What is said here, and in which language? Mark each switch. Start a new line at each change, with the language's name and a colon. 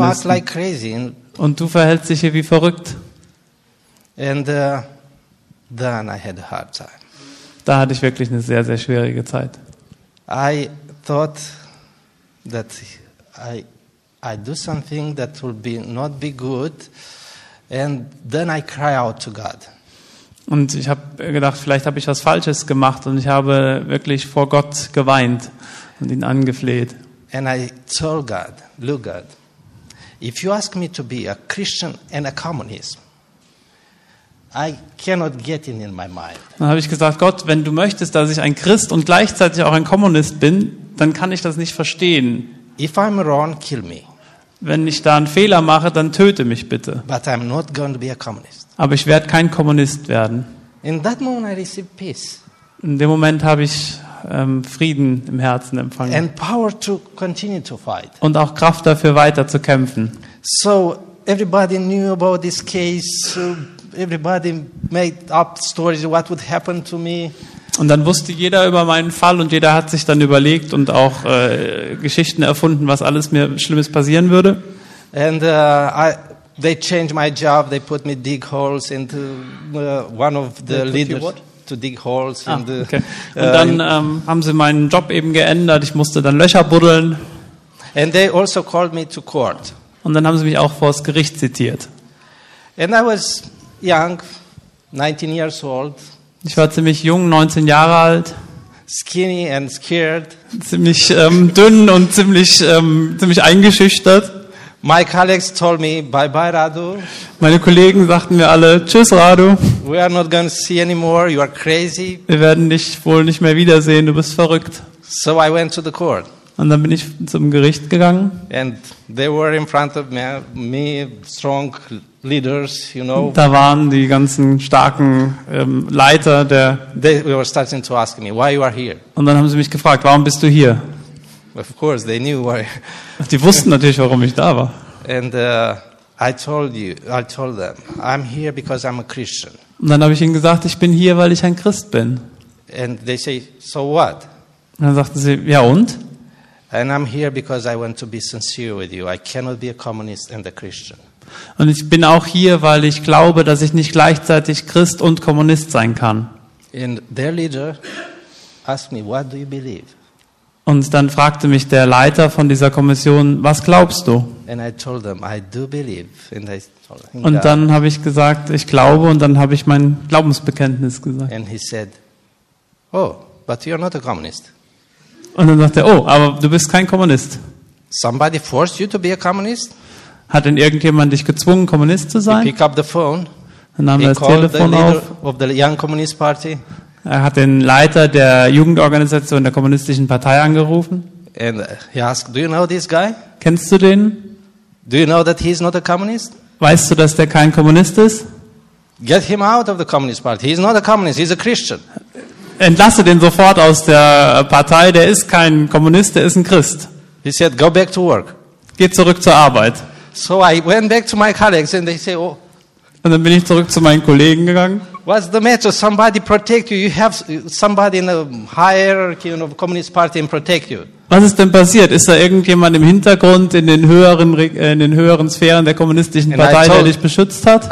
English: And you act like crazy.
German: Und du verhältst dich hier wie verrückt.
English: And then I had a hard time.
German: Da hatte ich wirklich eine sehr, sehr schwierige Zeit.
English: I thought that I do something that will be not be good, and then I cry out to God.
German: Und ich habe gedacht, vielleicht habe ich was Falsches gemacht, und ich habe wirklich vor Gott geweint und ihn angefleht.
English: And I told God, look God, if you ask me to be a Christian and a communist, I cannot get it in my mind.
German: Dann habe ich gesagt, Gott, wenn du möchtest, dass ich ein Christ und gleichzeitig auch ein Kommunist bin, dann kann ich das nicht verstehen.
English: If I'm wrong, kill me.
German: Wenn ich da einen Fehler mache, dann töte mich bitte.
English: But I'm not going to be a communist.
German: Aber ich werde kein Kommunist werden.
English: In that moment I received peace.
German: In dem Moment habe ich Frieden im Herzen empfangen.
English: And power to continue to fight.
German: Und auch Kraft dafür, weiter zu kämpfen.
English: So everybody knew about this case. Everybody made up stories what would happen to me.
German: Und dann wusste jeder über meinen Fall und jeder hat sich dann überlegt und auch Geschichten erfunden, was alles mir Schlimmes passieren würde.
English: And they changed my job. They put me dig holes into one of the leaders to dig holes. Ah, in the, okay.
German: Und dann haben sie meinen Job eben geändert. Ich musste dann Löcher buddeln.
English: And they also called me to court.
German: Und dann haben sie mich auch vor das Gericht zitiert.
English: And I was young, 19 years old.
German: Ich war ziemlich jung, 19 Jahre alt.
English: Skinny and scared.
German: Ziemlich dünn und ziemlich eingeschüchtert.
English: My colleagues told me, bye bye Radu.
German: Meine Kollegen sagten mir alle, tschüss Radu.
English: We are not going to see anymore. You are crazy.
German: Wir werden dich wohl nicht mehr wiedersehen. Du bist verrückt.
English: So I went to the court.
German: Und dann bin ich zum Gericht gegangen.
English: And they were in front of me strong leaders, you know.
German: Da waren die ganzen starken Leiter der.
English: They were starting to ask me why you are here.
German: Und dann haben sie mich gefragt, warum bist du hier?
English: Of course, they knew why.
German: Die wussten natürlich, warum ich da war.
English: And I told them, I'm here because I'm a Christian.
German: Und dann habe ich ihnen gesagt, ich bin hier, weil ich ein Christ bin.
English: And they say, so what?
German: Und dann sagten sie, ja und?
English: And I'm here because I want to be sincere with you. I cannot be a communist and a Christian.
German: Und ich bin auch hier, weil ich glaube, dass ich nicht gleichzeitig Christ und Kommunist sein kann.
English: And their leader asked me, what do you believe?
German: Und dann fragte mich der Leiter von dieser Kommission, was glaubst du?
English: And I told them, I do believe. And I told him,
German: und dann habe ich gesagt, ich glaube, und dann habe ich mein Glaubensbekenntnis gesagt.
English: And he said, oh, but you're not a communist.
German: Und dann sagte er, oh, aber du bist kein Kommunist.
English: Somebody forced you to be a communist?
German: Hat denn irgendjemand dich gezwungen, Kommunist zu sein?
English: He picked up the phone.
German: Dann nahm er das Telefon auf.
English: Of the young communist party.
German: Er hat den Leiter der Jugendorganisation der kommunistischen Partei angerufen.
English: And he asked, do you know this guy?
German: Kennst du den?
English: Do you know that he's not a communist?
German: Weißt du, dass der kein Kommunist ist?
English: Get him out of the communist party. He's not a communist, he's a Christian.
German: Entlasse den sofort aus der Partei, der ist kein Kommunist, der ist ein Christ.
English: He said, go back to work.
German: Geh zurück zur Arbeit.
English: So I went back to my colleagues and they say, oh.
German: Und dann bin ich zurück zu meinen Kollegen gegangen.
English: What's the matter? Somebody protect you. You have somebody in the hierarchy of the communist party and protect you.
German: Was ist denn passiert? Ist da irgendjemand im Hintergrund in den höheren Sphären der kommunistischen Partei, der dich beschützt hat?